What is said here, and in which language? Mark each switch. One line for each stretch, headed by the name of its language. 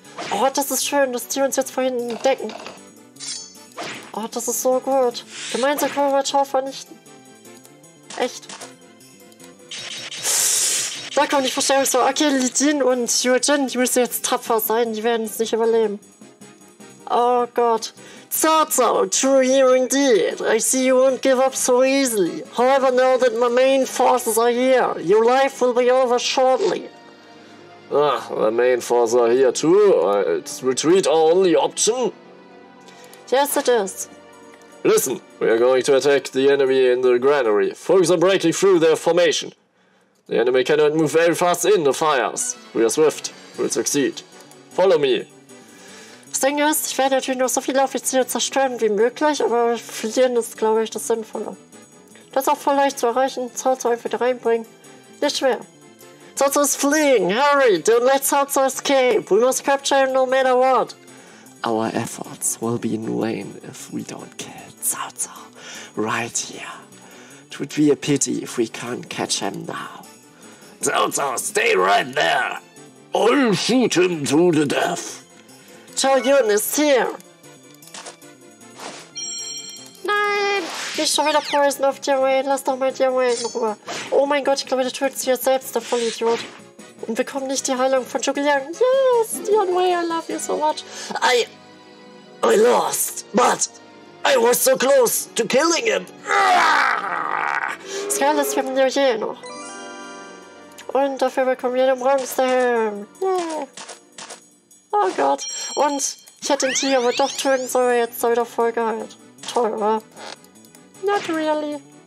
German: Oh, das ist schön, dass die uns jetzt vorhin entdecken. Oh, das ist so gut. Gemeinsam können wir Chao vernichten. Echt. Da kommt die Verstärkung so. Okay, Li Jin und Yu Jin, die müssen jetzt tapfer sein. Die werden es nicht überleben. Oh Gott.
English: Zao Zao, true here indeed. I see you won't give up so easily. However, now that my main forces are here, your life will be over shortly. Ah, the main forces are here too. It's retreat our only option. Yes, it is. Listen, we are going to attack the enemy in the granary. Focus on breaking through their formation. The enemy cannot move very fast in the fires. We are swift. We'll succeed. Follow me.
German: Das Ding ist, ich werde natürlich nur so viele Offiziere zerstören wie möglich, aber fliehen ist, glaube ich, das Sinnvolle. Das ist auch voll leicht zu erreichen. Zao einfach wieder reinbringen. Nicht schwer. Zao
English: is fleeing. Hurry, don't let Zao escape. We must capture him no matter what. Our efforts will be in vain if we don't kill Zao Zao right here. It would be a pity if we can't catch him now. Zao Zao, stay right there! I'll shoot him to the death! Chao Yun is here!
German: Nein! He's schon wieder poison auf dir, Wayne. Lass doch mal dir, Wayne, in Ruhe. Oh mein Gott, ich glaube, du tötest dich jetzt selbst, der Vollidiot. Und bekommen nicht die Heilung von Zhuguliang.
English: Yes, Dian Wei, I love you so much. I lost, but I was so close to killing him.
German: Das Geile ist, wir haben Liu Jie noch. Und dafür bekommen wir den Bronzehelm. Yeah. Oh Gott. Und ich hätte den Tiger aber doch töten sollen, jetzt ist er wieder voll geheilt. Toll, wa?
English: Not really.